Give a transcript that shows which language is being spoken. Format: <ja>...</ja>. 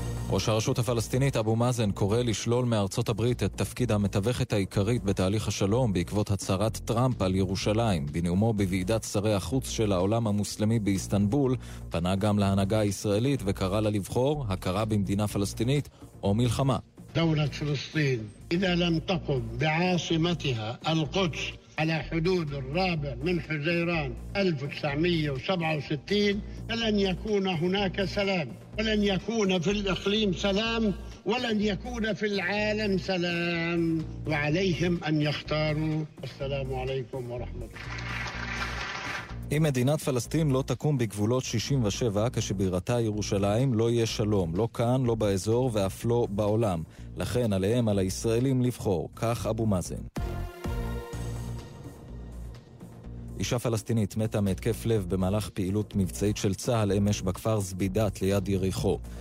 <he>ראש הרשות הפלסטינית אבו מאזן קורא לשלול מארצות הברית את תפקיד המתווכת העיקרית בתהליך השלום בעקבות הצהרת טראמפ על ירושלים. בנאומו בוועידת שרי החוץ של העולם המוסלמי באיסטנבול, פנה גם להנהגה הישראלית וקרא לה לבחור הכרה במדינה פלסטינית או מלחמה.</he> <ar>دولة فلسطين إذا لم تقم بعاصمتها القدس على حدود الرابع من حزيران 1967 فلن يكون هناك سلام ولن يكون في الإقليم سلام ولن يكون في العالم سلام وعليهم أن يختاروا السلام عليكم ورحمة الله.</ar> <he>אם מדינת פלסטין לא תקום בגבולות 67 כשבירתה ירושלים, לא יהיה שלום, לא כאן, לא באזור ואף לא בעולם. לכן עליהם, על הישראלים לבחור, כך אבו מאזן. אישה פלסטינית מתה מהתקף לב במהלך פעילות מבצעית של צהל אמש בכפר זבידת ליד יריחו.</he>